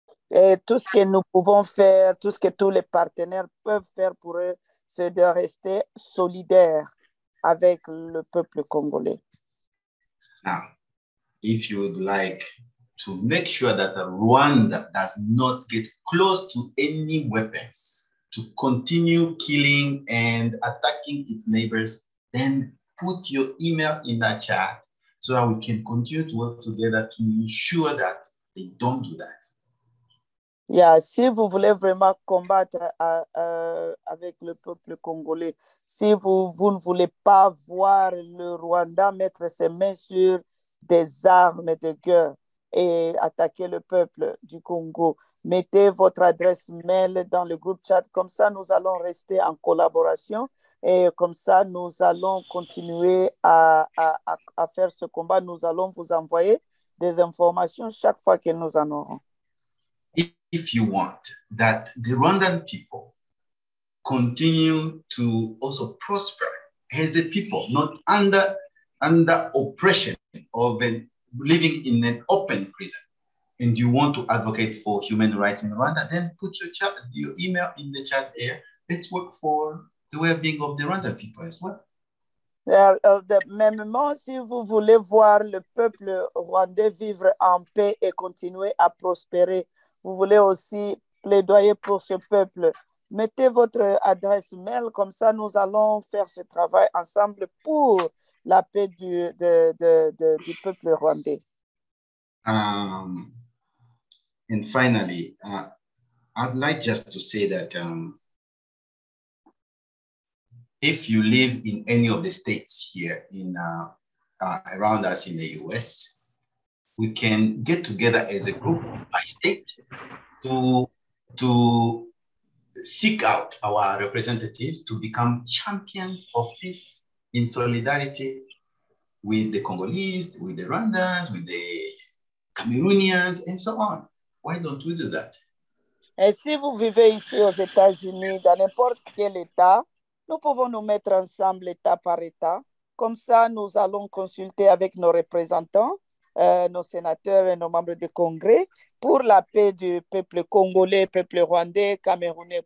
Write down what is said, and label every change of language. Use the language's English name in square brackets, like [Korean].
[French] Et tout ce que nous pouvons faire, tout ce que tous les partenaires peuvent faire pour eux, c'est de rester solidaire avec le peuple congolais. [English] Now, if you would like to make sure that Rwanda does not get close to any weapons to continue killing and attacking its neighbors, then put your email in that chat so that we can continue to work together to ensure that they don't do that. [French] Yeah, si vous voulez vraiment combattre avec le peuple congolais, si vous ne voulez pas voir le Rwanda mettre ses mains sur des armes de guerre et attaquer le peuple du Congo. Mettez votre adresse mail dans le groupe chat. Comme ça, nous allons rester en collaboration et comme ça, nous allons continuer à faire ce combat. Nous allons vous envoyer des informations chaque fois que nous en aurons. [English] If you want that the Rwandan people continue to also prosper as a people, not under oppression of living in an open prison, and you want to advocate for human rights in Rwanda, then put your email in the chat here. Let's work for the well-being of the Rwandan people as well. [French] Mêmement, si vous voulez voir le peuple rwandais vivre en paix et continuer à prospérer, vous voulez aussi plaidoyer pour ce peuple, mettez votre adresse mail, comme ça nous allons faire ce travail ensemble pour la paix du peuple rwandais. [English] And finally, I'd like just to say that if you live in any of the states here in around us in the US, we can get together as a group by state to seek out our representatives to become champions of peace in solidarity with the Congolese, with the Rwandans, with the Cameroonians, and so on. Why don't we do that? [French] Et si vous vivez ici aux États-Unis, dans n'importe quel état, nous pouvons nous mettre ensemble état par état. Comme ça, nous allons consulter avec nos représentants, nos sénateurs et nos membres du Congrès pour la paix du peuple congolais, peuple rwandais, camerounais.